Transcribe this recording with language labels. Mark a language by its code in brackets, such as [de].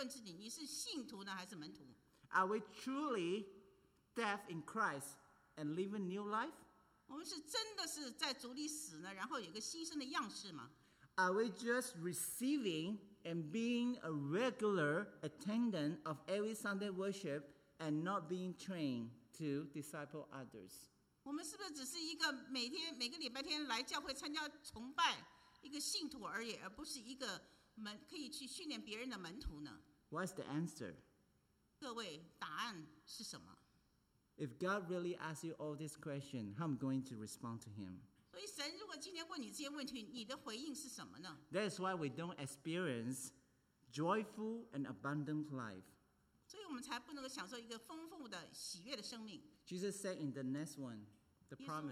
[zh] 也请你这个诚实地问自己，你是信徒呢还是门徒？ [en] Are we truly dead in Christ and living new life? [zh] 我们是真的是在主里死呢，然后有个新生的样式吗？ [en] Are we just receiving and being a regular attendant of every Sunday worship and not being trained to disciple others? [zh] 我们是不是只是一个每天每个礼拜天来教会参加崇拜，一个信徒而已，而不是一个门可以去训练别人的门徒呢？ [en] What's the answer? [zh] 各位，答案是什么？ [en] If God really asks you all this question, how am I going to respond to Him? [zh] 所以神如果今天问你这些问题，你的回应是什么呢？ [en] That is why we don't experience joyful and abundant life. [zh] 所以我们才不能够享受一个丰富的喜悦的生命。 [en] Jesus said in the next one, the promise.